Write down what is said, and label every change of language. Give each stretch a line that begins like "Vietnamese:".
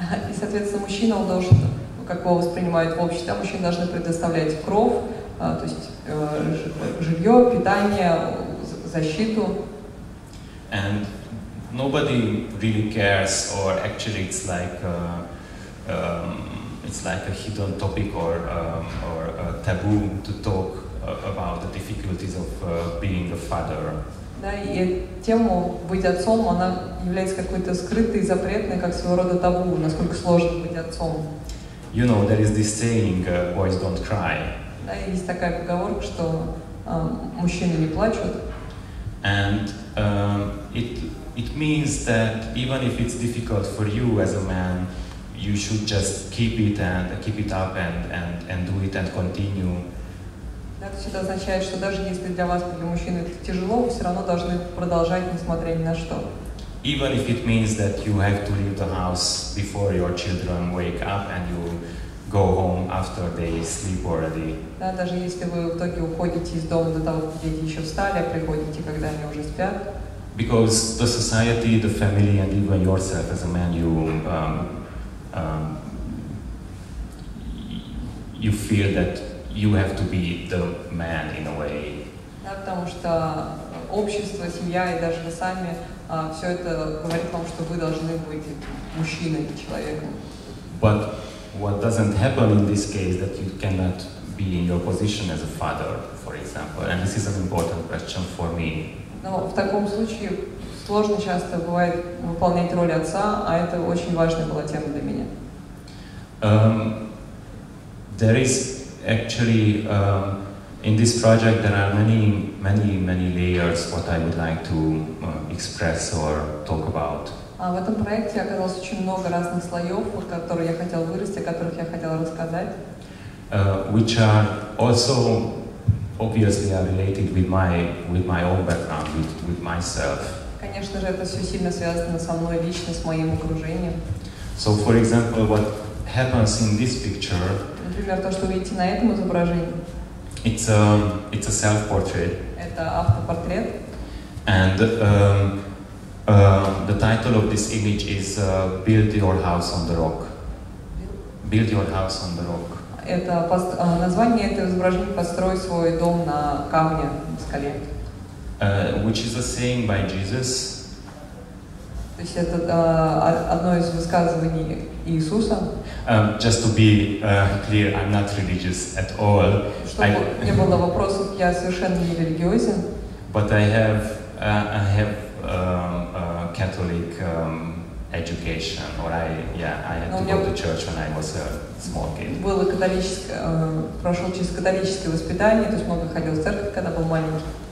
Russian: И, соответственно, мужчина должен как его воспринимают в обществе, мужчины должны предоставлять кровь, то есть жилье, питание, защиту.
English: And nobody really cares, or actually it's like a hidden topic or a taboo to talk about the difficulties of being a father.
Russian: Да, и тему быть отцом, она является какой-то скрытой, запретной, как своего рода табу, насколько сложно быть отцом.
English: You know, there is this saying, boys don't cry.
Russian: Да, есть такая поговорка, что мужчины не плачут.
English: And it means that even if it's difficult for you as a man, you should just keep it up and do it and continue.
Russian: Да, то есть это означает, что даже если для вас, для мужчины это тяжело, вы все равно должны продолжать, несмотря ни на что.
English: Even if it means that you have to leave the house before your children wake up and you go home after they sleep already.
Russian: Да, даже если вы в итоге уходите из дома до того, как дети еще встали, а приходите, когда они уже спят.
English: Because the society, the family, and even yourself as a man, you feel that you have to be the man in a way.
Russian: Да, потому что общество, семья и даже вы сами все это говорит вам, что вы должны быть мужчиной, человеком.
English: But what doesn't happen in this case that you cannot be in your position as a father, for example? And this is an important question for me.
Russian: Но в таком случае сложно часто бывает выполнять роль отца, а это очень важная была тема для меня.
English: There is actually in this project there are many layers what I would like to express or talk about.
Russian: А в этом проекте оказалось очень много разных слоев, которые я хотел вырасти, о которых я хотел рассказать.
English: Which are also obviously are related with my own background, with myself.
Russian: Конечно же, это все сильно связано со мной лично, с моим окружением.
English: So, for example, what happens in this picture?
Russian: Например, то, что вы видите на этом изображении.
English: It's a self portrait.
Russian: Это автопортрет.
English: And the title of this image is "Build Your House on the Rock." Build your house on the rock.
Russian: Это название этого изображения — «Построй свой дом на камне, на скале».
English: Which is a saying by Jesus.
Russian: То есть это одно из высказываний Иисуса.
English: Just to be clear, I'm not religious at all.
Russian: Чтобы не было вопросов, я совершенно не религиозен.
English: But I have Catholic education, or I had to go to church when I was a small kid.
Russian: Было католическое, прошел через католическое воспитание, то есть много ходил в церковь, когда был маленький.